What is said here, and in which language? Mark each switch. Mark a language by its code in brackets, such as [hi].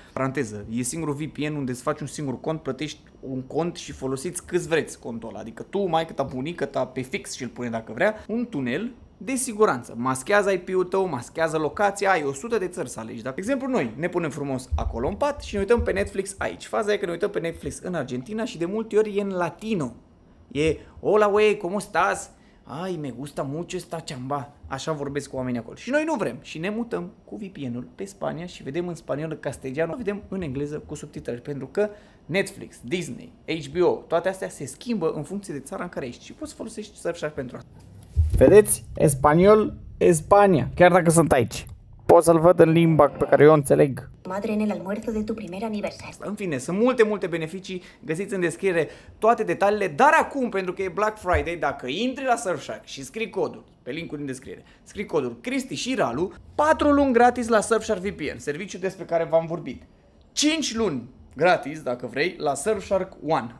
[ro] Paranteză, e singurul VPN unde îți faci un singur cont, plătești un cont și folosiți cât vreți contul ăla, adică tu, maică ta, bunică ta, pe fix și îl pune dacă vrea, un tunel de siguranță. Maschează IP-ul tău, maschează locația, ai 100 de țări să alegi. De exemplu, noi ne punem frumos acolo în pat și ne uităm pe Netflix aici. Faza e că ne uităm pe Netflix în Argentina și de multe ori e în latino. E, [es] hola, wey, cómo estás? Ai, me gusta mucho esta chamba. [ro] Așa vorbesc cu oamenii acolo. Și noi nu vrem. Și ne mutăm cu VPN-ul pe Spania și vedem în spaniolă castellano, vedem în engleză cu subtitrări. Pentru că Netflix, Disney, HBO, toate astea se schimbă în funcție de țara în care ești. Și poți să folosești Surfshark pentru asta. Vedeți? Spaniol, Spania. Chiar dacă sunt aici. Poți să-l văd în limba pe care eu o înțeleg. [es] Madre en el almuerzo de tu primer aniversario. [ro] În fine, sunt multe, multe beneficii. Găsiți în descriere toate detaliile. Dar acum, pentru că e Black Friday, dacă intri la Surfshark și scrii codul, pe linkul din descriere, scrii codul Cristi și Ralu, 4 luni gratis la Surfshark VPN, serviciul despre care v-am vorbit. 5 luni gratis, dacă vrei, la Surfshark One.